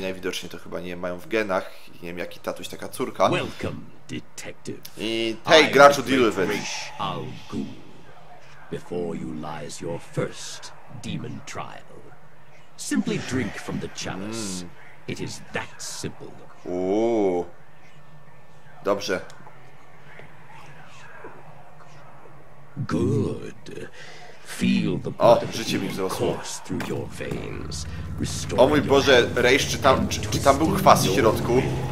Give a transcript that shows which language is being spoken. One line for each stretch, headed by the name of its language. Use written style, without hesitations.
Polish: Najwidoczniej to chyba nie mają w genach. Nie wiem, jaki tatuś, taka córka.
English: Welcome, detective. I hey,
Polish: graczu,
English: deal with it. Ra's al Ghul. Before you lies your first demon trial. Simply drink from the chalice. It is that simple.
Polish: Ooh. Dobrze.
English: Good. Feel the blood course through your veins.
Polish: O mój Boże, Ra's, czy tam był kwas w środku?